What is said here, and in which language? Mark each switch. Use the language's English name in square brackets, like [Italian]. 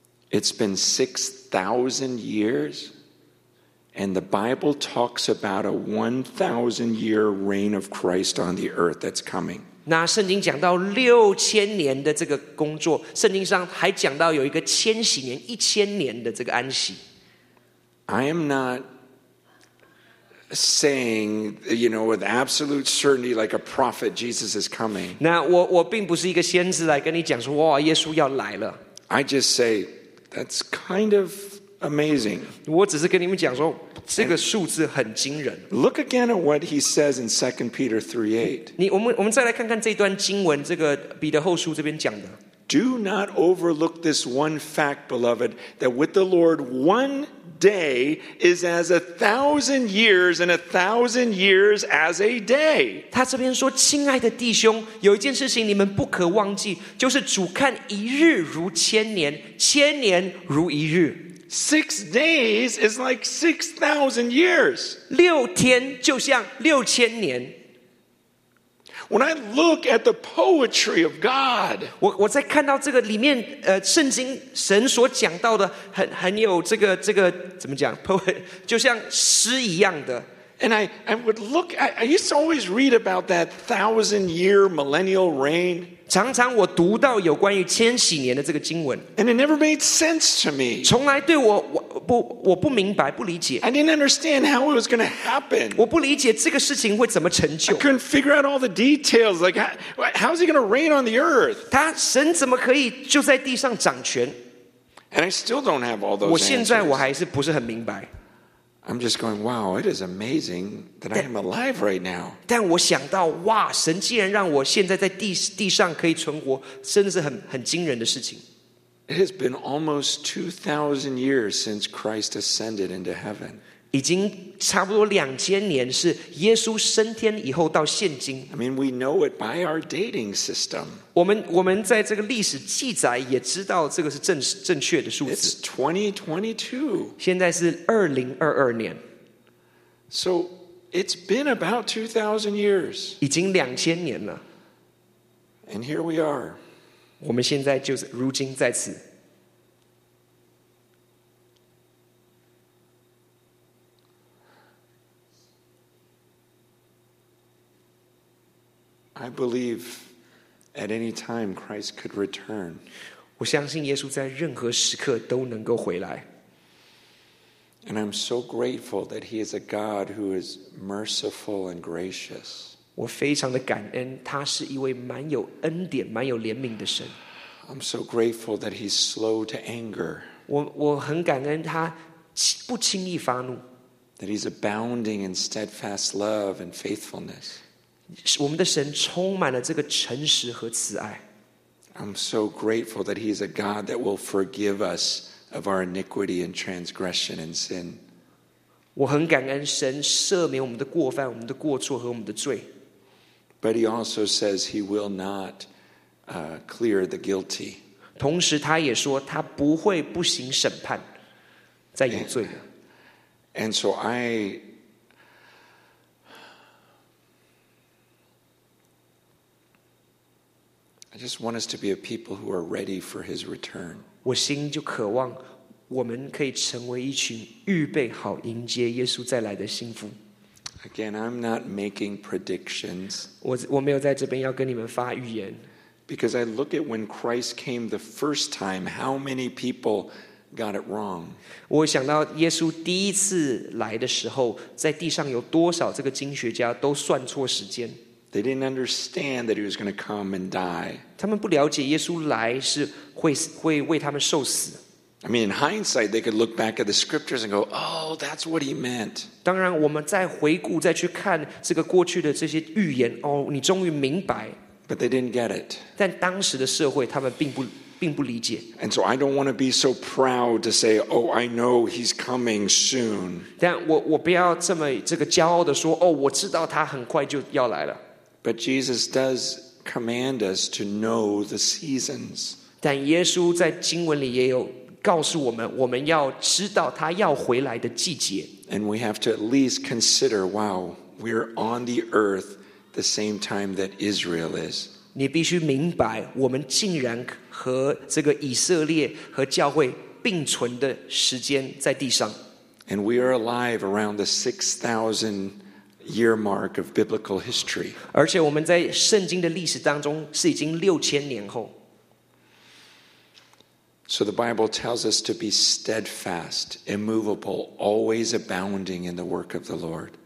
[English] It's been 6,000 years, and the Bible talks about a 1,000-year reign of Christ on the earth that's coming. [Chinese] 那圣经讲到6,000年的这个工作，圣经上还讲到有一个千禧年，1,000年的这个安息。 [English] I am not saying, you know, with absolute certainty, like a prophet, Jesus is coming. [Chinese] 那我并不是一个先知来跟你讲说，哇，耶稣要来了。 [English] I just say that's kind of amazing. [Chinese] 我只是跟你们讲说。这个数字很惊人。 [English] Look again at what he says in 2 Peter 3:8. [Chinese] 我们再来看看这段经文，这个彼得后书这边讲的。 [English] Do not overlook this one fact, beloved, that with the Lord one day is as 1,000 years, and 1,000 years as a day. [Chinese] 他这边说，亲爱的弟兄，有一件事情你们不可忘记，就是主看一日如千年，千年如一日。 [English] 6 days is like 6,000 years. [Chinese] 6天就像6,000年。 [English] When I look at the poetry of God, [Chinese] 我在看到这个里面圣经神所讲到的很有这个怎么讲 poet 就像诗一样的。 [English] And I would look. I used to always read about that 1,000-year millennial reign. [Chinese] 常常我读到有关于千禧年的这个经文 [English] ，and it never made sense to me. [Chinese] 从来对我不明白，不理解。 [English] I didn't understand how it was going to happen. 我不理解这个事情会怎么成就。 I couldn't figure out all the details. Like, how is he going to reign on the earth? [Chinese] 他神怎么可以就在地上掌权 [English] ？And I still don't have all those. [Chinese] 我现在我还是不是很明白。 [English] I'm just going, wow, it is amazing that I am alive right now. [Chinese] 但我想到，哇，神既然让我现在在地上可以存活，真的是很惊人的事情。 [English] It has been almost 2,000 years since Christ ascended into heaven. [Chinese] 已经差不多两千年是耶稣升天以后到现今。 [English] I mean, we know it by our dating system. [Chinese] 我们在这个历史记载也知道这个是 正确的数字。 [English] It's 2022. [Chinese] 现在是2022年。 [English] So, it's been about 2,000 years. [Chinese] 已经两千年了。 [English] And here we are. [Chinese] 我们现在就是如今在此。 [English] I believe at any time Christ could return. [Chinese] 我相信耶稣在任何时刻都能够回来。 [English] And I'm so grateful that he is a God who is merciful and gracious. [Chinese] 我非常的感恩，他是一位蛮有恩典、蛮有怜悯的神。 [English] I'm so grateful that he's slow to anger. [Chinese] 我很感恩他不轻易发怒。 [English] That he's abounding in steadfast love and faithfulness. [Chinese] 我们的神充满了这个诚实和慈爱。 [English] I'm so grateful that he is a God that will forgive us of our iniquity and transgression and sin. [Chinese] 我很感恩神赦免我们的过犯、我们的过错和我们的罪。 [English] But he also says he will not clear the guilty. [Chinese] 同时他也说他不会不行审判，在有罪的。 [English] And so I... I just want us to be a people who are ready for his return. [Chinese] 我心就渴望我们可以成为一群预备好迎接耶稣再来的信徒。 [English] Again, I'm not making predictions. [Chinese] 我没有在这边要跟你们发预言。 [English] Because I look at when Christ came the first time, how many people got it wrong. [Chinese] 我想到耶稣第一次来的时候，在地上有多少这个经学家都算错时间。 [English] They didn't understand that he was going to come and die. [Chinese] 他们不了解耶稣来是会为他们受死。 [English] I mean, in hindsight, they could look back at the scriptures and go, "Oh, that's what he meant." [Chinese] 当然，我们再回顾再去看这个过去的这些预言，哦，你终于明白。 [English] But they didn't get it. [Chinese] 但当时的社会，他们并不理解。 [English] And so I don't want to be so proud to say, "Oh, I know he's coming soon." [Chinese] 但我不要这么这个骄傲的说，哦，我知道他很快就要来了。 [English] But Jesus does command us to know the seasons. [Chinese] 但耶稣在经文里也有告诉我们，我们要知道他要回来的季节。 [English] And we have to at least consider, wow, we're on the earth the same time that Israel is. [Chinese] 你必须明白，我们竟然和这个以色列和教会并存的时间在地上。 [English] And we are alive around the 6,000year mark of biblical history. [Chinese] 而且我们在圣经的历史当中是已经六千年后。 [English] So the Bible tells us to be steadfast, immovable, always abounding in the work of the Lord.